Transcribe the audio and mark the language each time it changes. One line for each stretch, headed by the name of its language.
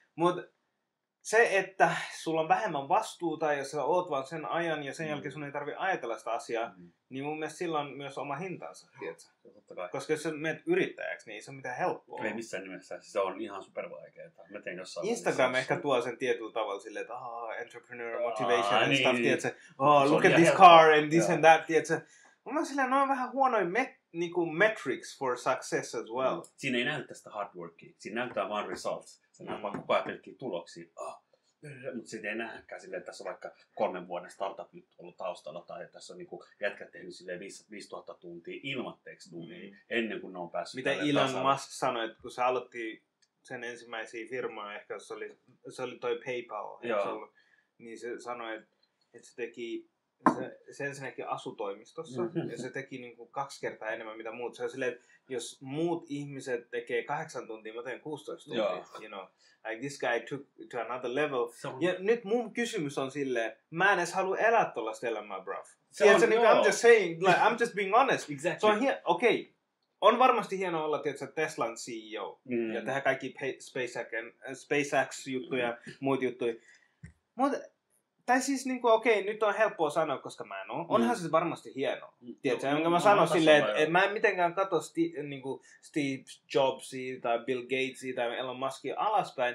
Finnish: Mutta se, että sulla on vähemmän vastuuta ja sä oot vaan sen ajan ja sen jälkeen sun ei tarvi ajatella sitä asiaa, niin mun mielestä sillä on myös oma hintansa, tiedätkö. Koska jos sä menet yrittäjäksi, niin ei se ole mitään helppoa. Ei missään nimessä, se on ihan supervaikeaa. Mä tein jossain... Instagram ehkä tuo sen tietyllä tavalla silleen, että
English: entrepreneur motivation and stuff,
Finnish: tiedätkö.
English: Oh, look at this car and this and that,
Finnish: tiedätkö. Mun mielestä on vähän huonoin
English: metrics for success as well.
Finnish: Siinä ei näytä sitä hard workia, siinä näyttää vaan results. Nämä on vaan koko ajan pelkkiä tuloksia, mutta sitten ei nähäkään silleen, että tässä on vaikka 3 vuoden startup nyt ollut taustalla, tai että tässä on niinku jätkä tehnyt silleen 5000 tuntia ilmatteeksi duunia ennen kuin ne on päässyt. Mitä Elon Musk sanoi, että kun se aloitti sen ensimmäisiä firmaa, ehkä se oli toi PayPal, niin se sanoi, että se teki, se ensinnäkin asui toimistossa, ja se teki niinku kaksi kertaa enemmän mitä muut. Se on silleen, että jos muut ihmiset tekee 8 tuntia, mä teen 16 tuntia, joo.
English: You know, like this guy took to another level.
Finnish: Ja nyt mun kysymys on silleen, mä en edes halua elää tollaista elämää, bruv.
English: I'm just saying, like, I'm just being honest. Exactly. So okay.
Finnish: On varmasti hienoa olla tietysti Teslan CEO ja tehdä kaikki SpaceX-juttuja ja muut juttuja. Mutta, tai siis niinku, okei, nyt on helppoa sanoa, koska mä en ole. Onhan se varmasti hienoa, tietysti, jonka mä sanon silleen, että mä en mitenkään katso Steve Jobsia tai Bill Gatesia tai Elon Muskia alaspäin.